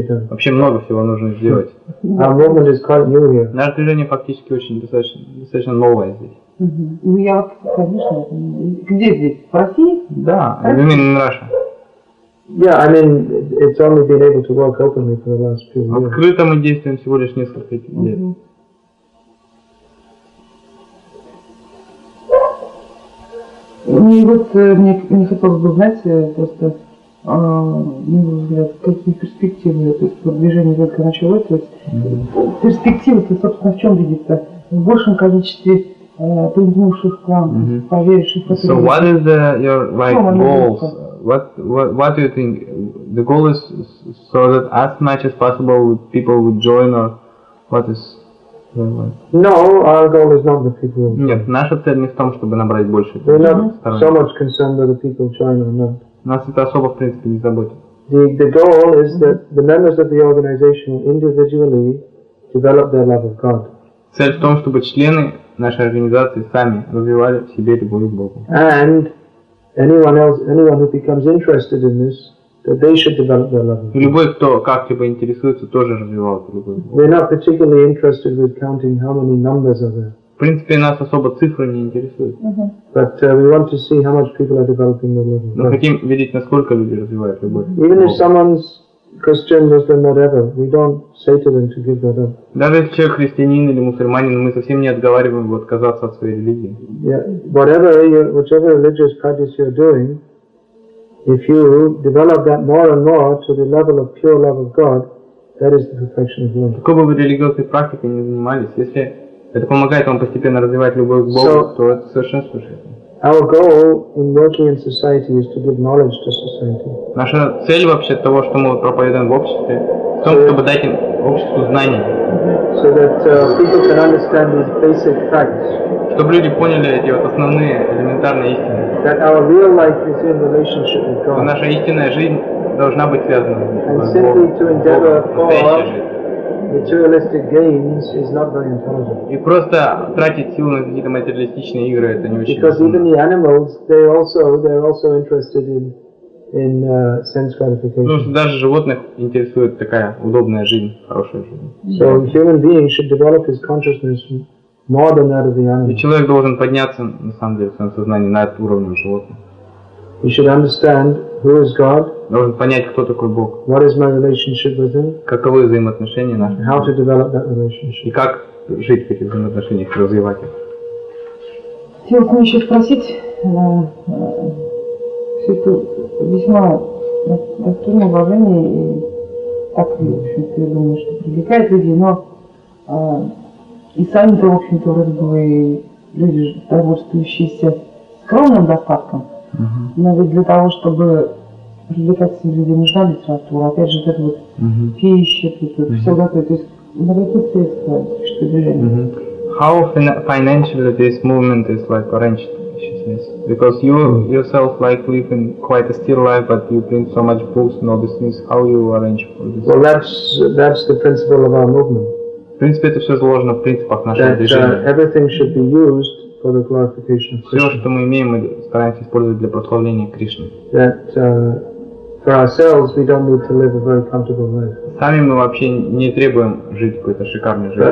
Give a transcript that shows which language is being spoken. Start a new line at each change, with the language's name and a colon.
Russian: Вообще много всего нужно сделать. Наше движение фактически очень достаточно новое здесь. Ну я вот, конечно, где здесь? В России? Да, именно в России.
English: Yeah, I mean, it's only been able to work openly for the last few years.
Russian: Открыто мы действуем всего лишь несколько лет. И вот мне хотелось бы узнать просто, на мой взгляд, какие перспективы, то есть продвижение только началось, то есть перспективы-то, собственно, в чем видится? В большем количестве примкнувших к вам, поверивших в это.
English: So what is the, your, like, goals? What do you think? The goal is so that as much as possible people would join, or what is... No, our goal is not the people.
Russian: Нет, наша цель не в том, чтобы набрать больше.
English: We're not so much concerned that the people join or not.
Russian: Нас это особо, в принципе, не заботит.
English: The goal is that the members of the organization individually develop their love of God.
Russian: Цель в том, чтобы члены нашей организации сами развивали в себе любовь к Богу.
English: And anyone who becomes interested in this, that they should develop their love of God.
Russian: Любой, кто как-либо интересуется, тоже развивал эту любовь к Богу.
English: We're not particularly interested with counting how many numbers are there.
Russian: В принципе, нас особо цифры не интересуют.
English: But we want to see how much people are developing their love. Мы хотим видеть, насколько люди развивают любовь. Even if someone's Christian, Muslim, whatever, we don't say to them to give that up.
Russian: Даже если человек христианин или мусульманин, мы совсем не отговариваем его отказаться от своей религии.
English: Yeah, whatever you, whichever religious practice you're doing, if you develop that more and more to the level of pure love of God, that is the perfection of love.
Russian: Какой бы вы религиозной практикой ни занимались, если это помогает вам постепенно развивать любовь к Богу, то это совершенство жизни.
English: Our goal in working in society is to give knowledge to society.
Russian: Наша цель вообще того, что мы проповедуем в обществе, в том, чтобы дать им обществу знания.
English: So that people can understand these basic facts.
Russian: Чтобы люди поняли эти вот основные элементарные истины.
English: That our real life is in relationship with God.
Russian: Что наша истинная жизнь должна быть связана с Богом.
English: And simply to endeavor for materialistic gains is not very intelligent.
Russian: И просто тратить силы на какие-то материалистичные игры, это не очень.
English: Because even the animals, they're also interested in sense gratification.
Russian: Ну, даже животных интересует такая удобная жизнь, хорошая жизнь.
English: So human being should develop his consciousness more than that of the animals.
Russian: И человек должен подняться на самом деле в своем сознании над уровнем животных.
English: He should understand who is God.
Russian: Должен понять, кто такой Бог.
English: What is my relationship with Him?
Russian: Каковы взаимоотношения наши?
English: How to develop that relationship?
Russian: И как жить в этих взаимоотношениях, развивать их? Хотел бы еще спросить, все это весьма достойное уважение и так, в общем-то, я думаю, что привлекает людей, но и сами-то, в общем-то, вроде бы вы люди, довольствующиеся скромным достатком. Но ведь для того, чтобы привлекать людей, нужна литература, опять же, вот эта вот пища, все готовое, то есть на какие средства существует движение?
English: How financially this movement is like arranged, she says? Because you yourself like live in quite a still life, but you print so much books and all these things, how you arrange for this? Well, that's the principle of our movement.
Russian: В принципе, это все заложено в принципах нашего движения.
English: That everything should be used for the glorification of Krishna.
Russian: Все, что мы имеем, мы стараемся использовать для прославления Кришны.
English: That for ourselves we don't need to live a very comfortable life.
Russian: Сами мы вообще не требуем жить какой-то шикарной жизнью.